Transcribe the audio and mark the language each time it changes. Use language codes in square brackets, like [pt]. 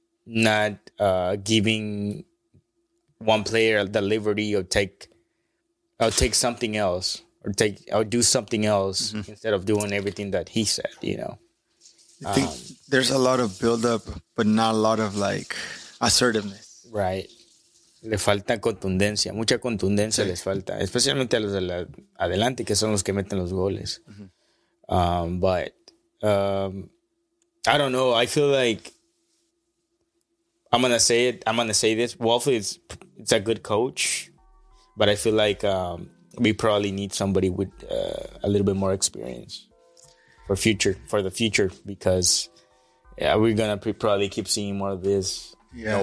[en] not giving one player the liberty or take something else or do something else mm-hmm. instead of doing everything that he said, you know. I think there's a lot of buildup, but not a lot of like assertiveness. Right. [es] Le falta contundencia, mucha contundencia sí. les falta, especialmente a los de la adelante, que son los que meten los goles. [en] Mm-hmm. I don't know. I feel like I'm going to say this. Wolf is it's a good coach, but I feel like we probably need somebody with a little bit more experience for the future, because yeah, we're going to probably keep seeing more of this. Yeah.